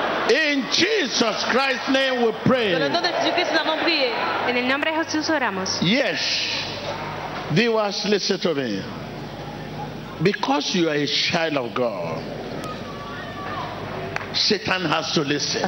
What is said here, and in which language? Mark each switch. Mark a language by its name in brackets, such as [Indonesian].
[English] In Jesus Christ's name we pray. [Spanish] En el nombre de Jesús oramos. En el nombre de Jesús oramos. [English] Yes. Viewers, listen to me. Because you are a child of God, Satan has to listen.